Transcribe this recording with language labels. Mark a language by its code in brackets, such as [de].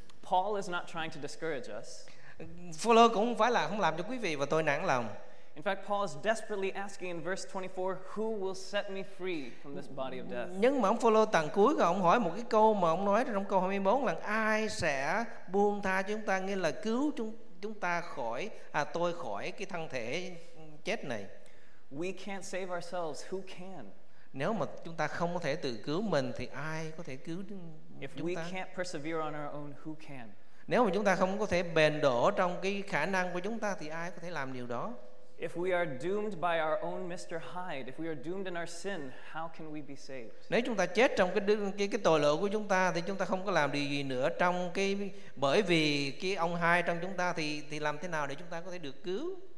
[en] Paul is not trying to discourage us. [vi] Phaolô cũng không phải là không làm cho quý vị và tôi nản lòng. [en] In fact, Paul is desperately asking in verse 24, "Who will set me free from this body of death?" [vi] Nhưng mà ông Phaolô tầng cuối rồi ông hỏi một cái câu mà ông nói trong câu 24 là ai sẽ buông tha chúng ta, nghĩa là cứu chúng ta khỏi tôi khỏi cái thân thể chết này. [en] We can't save ourselves. Who can? [vi] Nếu mà chúng ta không có thể tự cứu mình thì ai có thể cứu chúng ta? [en] If we can't persevere on our own, who can? [vi] Nếu mà chúng ta không có thể bền đổ trong cái khả năng của chúng ta thì ai có thể làm điều đó? [en] If we are doomed by our own Mr. Hyde, if we are doomed in our sin, how can we be saved? [vi] Nếu chúng ta chết trong cái tội lỗi của chúng ta thì chúng ta không có làm điều gì nữa trong cái bởi vì cái ông Hyde trong chúng ta thì làm thế nào để chúng ta có thể được cứu?